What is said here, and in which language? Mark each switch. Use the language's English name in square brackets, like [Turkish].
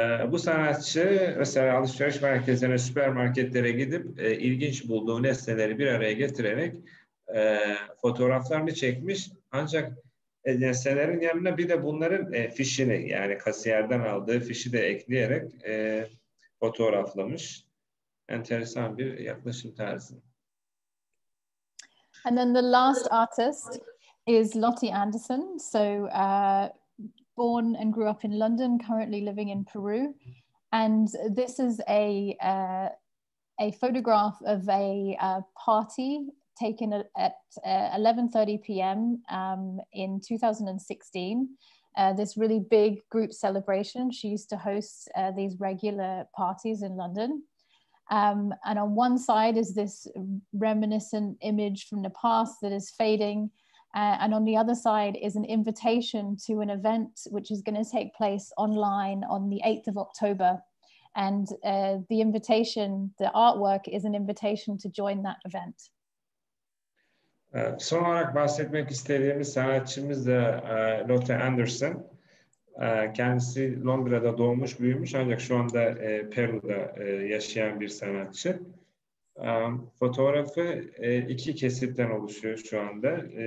[Turkish] Bu sanatçı mesela alışveriş merkezine, süpermarketlere gidip ilginç bulduğu nesneleri bir araya getirerek fotoğraflarını çekmiş. Ancak nesnelerin yanına bir de bunların fişini, yani kasiyerden aldığı fişi de ekleyerek fotoğraflamış. Enteresan bir yaklaşım tarzı. [English] And then the last artist is Lottie Anderson. So born and grew up in London, currently living in Peru. And this is a photograph of a party taken at 11:30 p.m. In 2016. This really big group celebration. She used to host these regular parties in London. And on one side is this reminiscent image from the past that is fading. And on the other side is an invitation to an event which is going to take place online on the 8th of October. And the invitation, the artwork, is an invitation to join that event. [Turkish] Son olarak bahsetmek istediğimiz sanatçımız da Lotte Anderson. Kendisi Londra'da doğmuş, büyümüş ancak şu anda Peru'da yaşayan bir sanatçı. Fotoğrafı iki kesitten oluşuyor şu anda.